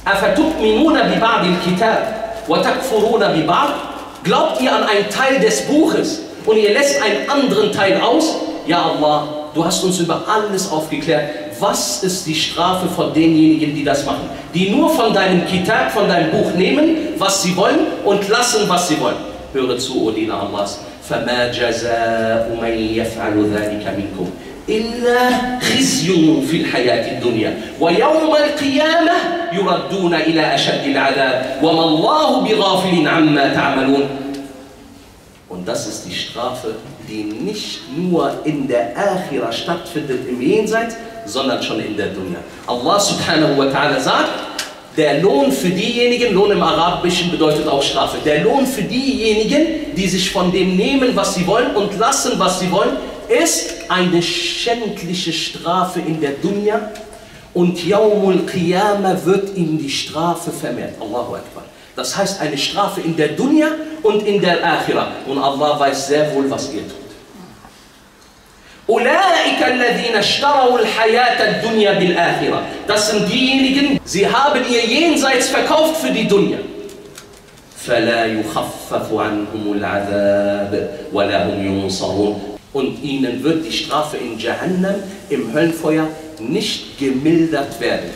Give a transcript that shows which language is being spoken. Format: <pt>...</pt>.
<ar>أَفَتُؤْمِنُونَ بِبَعْدِ الْكِتَابِ وَتَكْفُرُونَ بِبَعْدِ</ar> <de>Glaubt ihr an einen Teil des Buches und ihr lässt einen anderen Teil aus? Ja Allah, du hast uns über alles aufgeklärt. Was ist die Strafe von denjenigen, die das machen? Die nur von deinem Kitab, von deinem Buch nehmen, was sie wollen und lassen, was sie wollen. Höre zu, O Diener Allahs.</de> <ar>فَمَا جَزَاءُ مَنْ يَفْعَلُ ذَلِكَ مِنْكُمْ إِلَّا خِزْيٌ فِي الْحَيَاةِ الدُّنْيَا وَيَوْمَ الْقِيَامَةِ يُرَدُّونَ إِلَىٰ أَشَدِّ الْعَذَابِ وَمَا اللَّهُ بِغَافِلٍ عَمَّا تَعْمَلُونَ</ar> <de>Und das ist die Strafe, die nicht nur in der Akhira stattfindet im Jenseits, sondern schon in der Dunya. Allah subhanahu wa ta'ala sagt, der Lohn für diejenigen, Lohn im Arabischen bedeutet auch Strafe, der Lohn für diejenigen, die sich von dem nehmen, was sie wollen und lassen, was sie wollen, ist eine schändliche Strafe in der Dunya und Yawmul Qiyamah wird ihnen die Strafe vermehrt. Allahu Akbar. Das heißt eine Strafe in der Dunya und in der Akhira. Und Allah weiß sehr wohl, was ihr tut.</de> <ar>أولئك الذين اشتروا الحياة الدنيا بالآخرة.</ar> <de>Das sind diejenigen, sie haben ihr Jenseits verkauft für die Dunya.</de> <ar>فلا يخفف عنهم العذاب ولا هم ينصرون.</ar> <de>Und ihnen wird die Strafe in Jahannam, im Höllenfeuer, nicht gemildert werden.</de>